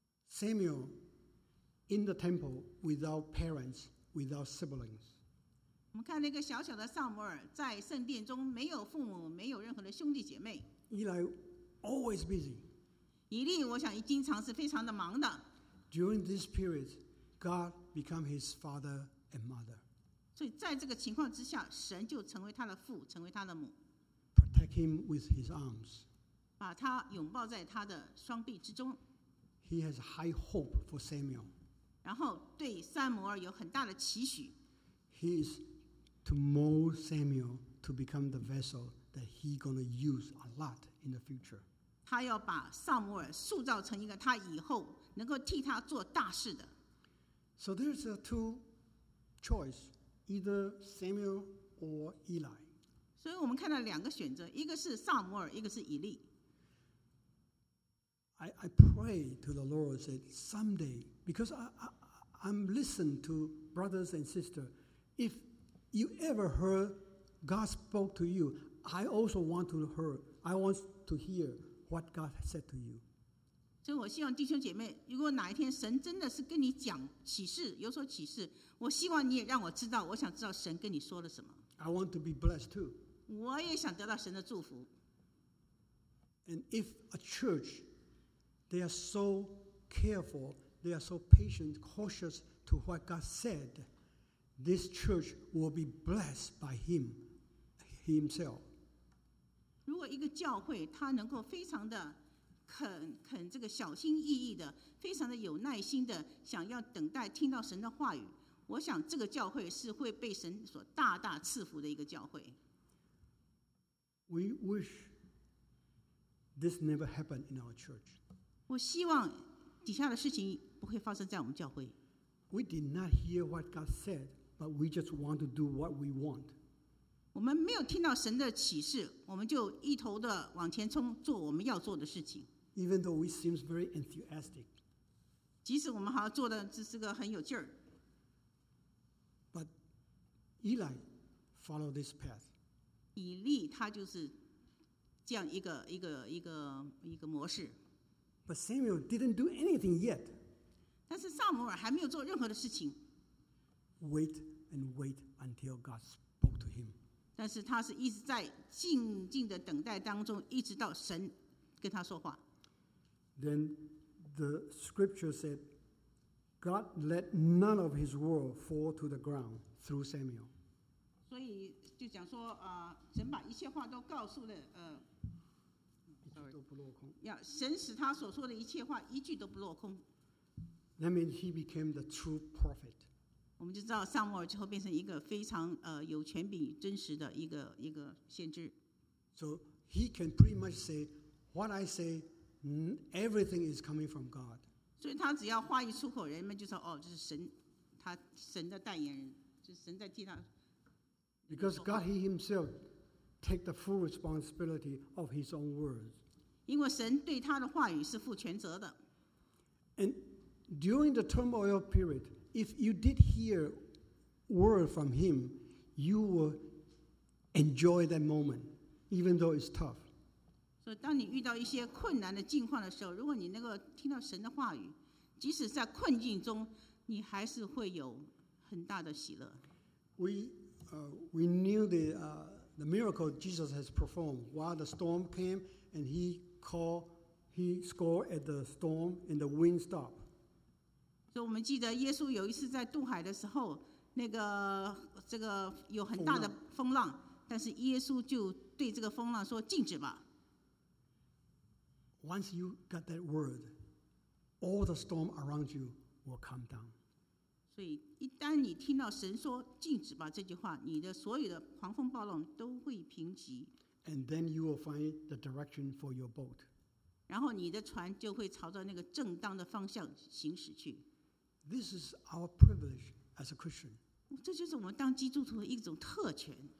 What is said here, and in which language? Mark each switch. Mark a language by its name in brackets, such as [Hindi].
[English] Samuel in the temple without parents, without siblings. [Chinese] 我们看那个小小的撒母耳在圣殿中没有父母，没有任何的兄弟姐妹。 [English] Eli always busy. [Chinese] 以利我想经常是非常的忙的。 [English] During this period, God became his father. And mother. [Chinese] 所以在这个情况之下，神就成为他的父，成为他的母。 [English] Protect him with his arms. [Chinese] 把他拥抱在他的双臂之中。 [English] He has high hope for Samuel. [Chinese] 然后对撒母耳有很大的期许。 [English] He is to mold Samuel to become the vessel that he gonna use a lot in the future. [Chinese] 他要把撒母耳塑造成一个他以后能够替他做大事的。 [English] So there's a two. Choice, either Samuel or Eli. So we see two choices. One is Samuel, one is Eli. I pray to the Lord that someday, because I'm listening to brothers and sisters, if you ever heard God spoke to you, I also want to hear. I want to hear what God said to you. So I hope, [Chinese] 弟兄姐妹，如果哪一天神真的是跟你讲启示，有所启示。我希望你也让我知道，我想知道神跟你说了什么。 [English] I want to be blessed too. [Chinese] 我也想得到神的祝福。 [English] And if a church, they are so careful, they are so patient, cautious to what God said, this church will be blessed by Him, Himself. [Chinese] 如果一个教会他能够非常的肯这个小心翼翼的，非常的有耐心的，想要等待听到神的话语。我想这个教会是会被神所大大赐福的一个教会。 [English] We wish this never happened in our church. [Chinese] 我希望底下的事情不会发生在我们教会。 [English] We did not hear what God said, but we just want to do what we want. [Chinese] 我们没有听到神的启示，我们就一头的往前冲，做我们要做的事情。 [English] Even though we seem very enthusiastic. [Chinese] 即使我们好像做的只是个很有劲儿。 [English] Eli followed this path. [Chinese] 以利他就是这样一个模式。 [English] But Samuel didn't do anything yet. [Chinese] 但是撒母耳还没有做任何的事情。 [English] Wait and wait until God spoke to him. [Chinese] 但是他是一直在静静的等待当中，一直到神跟他说话。 [English] Then the scripture said, God let none of his word fall to the ground through Samuel. [Chinese] 所以就讲说，神把一切话都告诉了，都不落空。要神使他所说的一切话一句都不落空。 [English] That means he became the true prophet. [Chinese] 我们就知道撒母耳之后变成一个非常有权柄、真实的一个先知。 [English] So he can pretty much say, "What I say, everything is coming from God." [Chinese] 所以他只要话一出口，人们就说：“哦，这是神，他神的代言人，就是神在替他。” [English] Because God he himself take the full responsibility of his own words. [Chinese] 因为神对他的话语是负全责的。 [English] And during the turmoil period, If you did hear word from him, you will enjoy that moment, even though it's tough. [Chinese] 所以当你遇到一些困难的境况的时候，如果你能够听到神的话语，即使在困境中，你还是会有很大的喜乐。 [English] We knew the miracle Jesus has performed while the storm came, and he scored at the storm, and the wind stopped. [Chinese] 所以我们记得耶稣有一次在渡海的时候，那个这个有很大的风浪，但是耶稣就对这个风浪说：“静止吧。” [English] Once you got that word, all the storm around you will calm down. [Chinese] 所以一旦你听到神说“静止吧”这句话，你的所有的狂风暴浪都会平息。 [English] And then you will find the direction for your boat. [Chinese] 然后你的船就会朝着那个正当的方向行驶去。 [English] This is our privilege as a Christian. [Chinese] 这就是我们当基督徒的一种特权。